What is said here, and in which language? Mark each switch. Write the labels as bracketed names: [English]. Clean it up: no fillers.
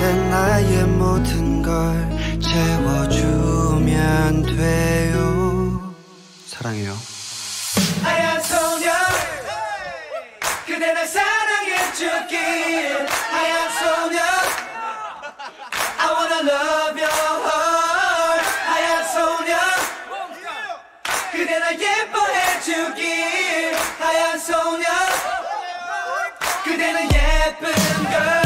[Korean] 나의 모든 걸 채워주면 돼요. 사랑해요. 하얀 소녀 그대 날 사랑해 주길. 하얀 소녀 [English] I wanna love your heart. [Korean] 하얀 소녀 그대 날 예뻐해 주길. 하얀 소녀 그대는 예쁜 걸.